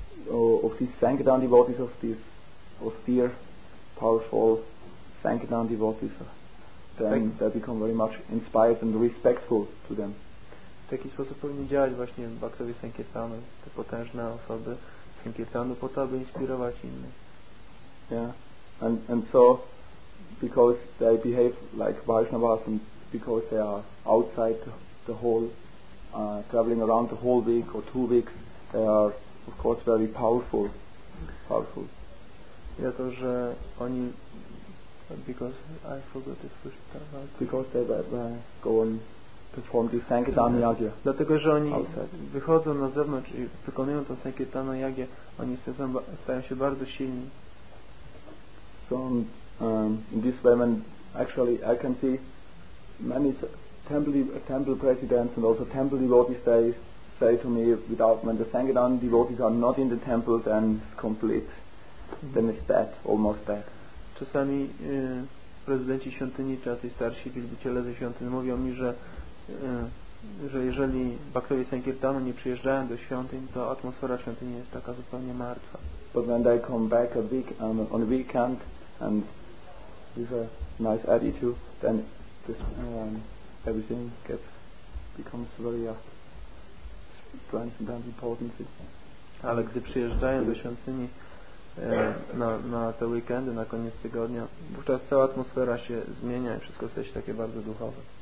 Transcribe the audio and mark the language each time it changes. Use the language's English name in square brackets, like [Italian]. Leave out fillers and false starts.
[English] of these Sankirtan devotees, of these austere, powerful Sankirtan devotees, then they become very much inspired and respectful to them. [Polish] W taki sposób powinni działać właśnie bhaktowie Sankirtanu, te potężne osoby Sankirtanu, po to, aby inspirować innych. [English] Yeah, and so because they behave like Vaishnavas and because they are outside the whole, traveling around the whole week or 2 weeks, they are of course very powerful. Powerful. [Polish] Ja to, że oni, [English] because I forgot the first time. Because they go on perform the Sankirtana Yagya. [Polish] Dlatego, że oni outside wychodzą na zewnątrz i wykonują to Sankirtana Yagya, oni stają się bardzo silni. [English] So in this way, when actually I can see many temple presidents and also temple devotees, they say to me, without when the Sankirtan devotees are not in the temple, then it's complete. Mm-hmm. Then it's dead, almost dead. [Polish] Czasami prezydenci świątyni, czy tacy starsi wielbiciele ze świątyni mówią mi, że jeżeli bhaktowie Sankirtanu nie przyjeżdżają do świątyń, to atmosfera świątyni jest taka zupełnie martwa. [English] But when they come back a week on a weekend and with a nice attitude, then this everything becomes very transcendent importance. [Polish] Ale gdy przyjeżdżają do świątyni na te weekendy, na koniec tygodnia, wówczas cała atmosfera się zmienia i wszystko staje się takie bardzo duchowe.